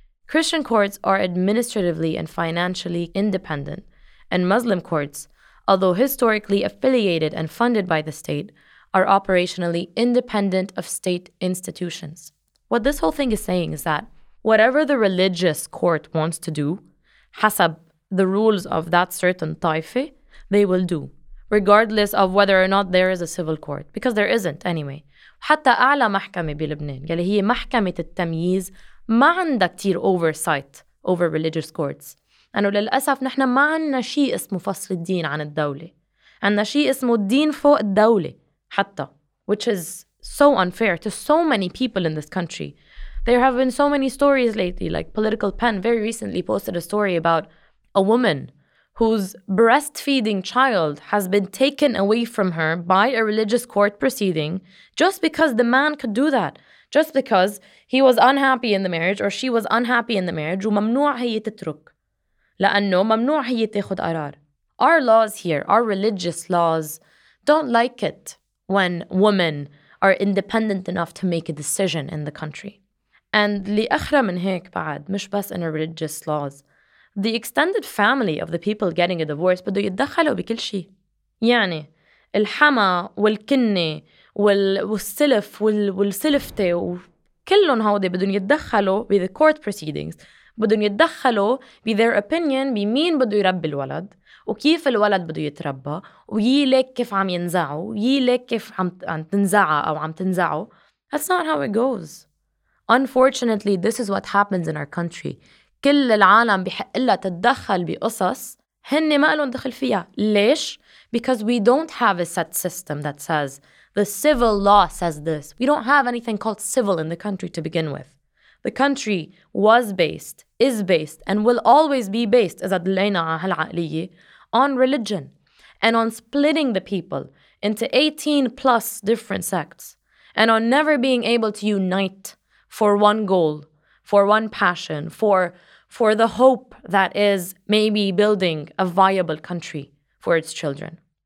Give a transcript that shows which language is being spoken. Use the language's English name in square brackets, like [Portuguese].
[English] Christian courts are administratively and financially independent, and Muslim courts, although historically affiliated and funded by the state, are operationally independent of state institutions. What this whole thing is saying is that whatever the religious court wants to do, [Arabic] حسب [English] the rules of that certain taife, they will do, regardless of whether or not there is a civil court, because there isn't anyway. [Arabic] حتى أعلى محكمة بلبنان يلي هي محكمة التمييز ما عندها كتير [English] oversight over religious courts. [Arabic] أنه للأسف نحن ما عندنا شيء اسمه فصل الدين عن الدولة. عندنا شيء اسمه الدين فوق الدولة حتى. [English] Which is so unfair to so many people in this country. There have been so many stories lately, like Political Pen very recently posted a story about a woman whose breastfeeding child has been taken away from her by a religious court proceeding just because the man could do that. Just because he was unhappy in the marriage or she was unhappy in the marriage [Arabic] وممنوع هي تترك لأنه ممنوع هي تاخد قرار. [English] Our laws here, our religious laws, don't like it when women are independent enough to make a decision in the country. And [Arabic] لأخرى من هيك بعد, مش بس [English] in our religious laws, the extended family of the people getting a divorce [Arabic] بدو يتدخلوا بكل شيء. يعني الحما والكنة والسلف والسلفتة وكلهم هودي بدون يتدخلوا بـ [English] the court proceedings. [Arabic] بدون يتدخلوا بـ [English] their opinion [Arabic] بمين بدو يربي الولد وكيف الولد بدو يتربى ويي ليك كيف عم ينزعوا ويي ليك كيف عم تنزعى أو عم تنزعوا. [English] That's not how it goes. Unfortunately, this is what happens in our country. [Arabic] كل العالم بحق لها تتدخل بقصص هن ما قالوا ندخل فيها. ليش؟ [English] Because we don't have a set system that says the civil law says this. We don't have anything called civil in the country to begin with. The country was based, is based, and will always be based, [Arabic] إذا دلينا على هالعقلية, [English] on religion and on splitting the people into 18 plus different sects and on never being able to unite for one goal, for one passion, for the hope that is maybe building a viable country for its children.